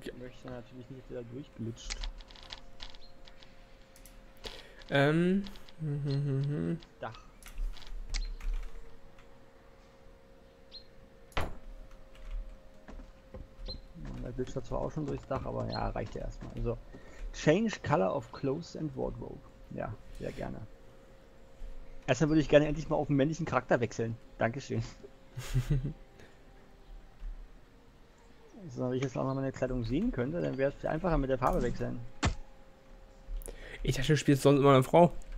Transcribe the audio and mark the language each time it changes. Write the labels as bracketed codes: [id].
[de] Ich möchte natürlich nicht, dass er durchglitscht. Dach. Da glitscht er zwar auch schon durchs Dach, aber ja, reicht ja erstmal. So. [en] Change color of clothes and wardrobe. [de] Ja, sehr gerne. Erstmal würde ich gerne endlich mal auf den männlichen Charakter wechseln. Dankeschön. So, wenn ich jetzt auch noch meine Kleidung sehen könnte, dann wäre es viel einfacher mit der Farbe wechseln. Ich dachte, du spielst sonst immer eine Frau.